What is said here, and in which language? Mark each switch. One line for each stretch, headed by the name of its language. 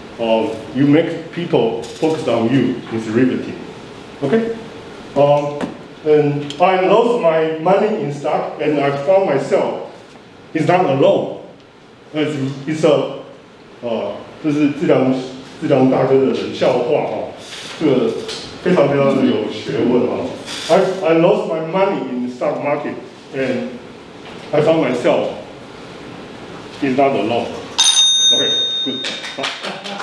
English: You make people focus on you, it's riveting. Okay? And I lost my money in stock, and I found myself, it's not alone.
Chinese: It's 这张大哥的冷笑话哈，这个非常非常的有学问哈。
English: I lost my money in the stock market, and I found myself, it's not alone. Okay, good.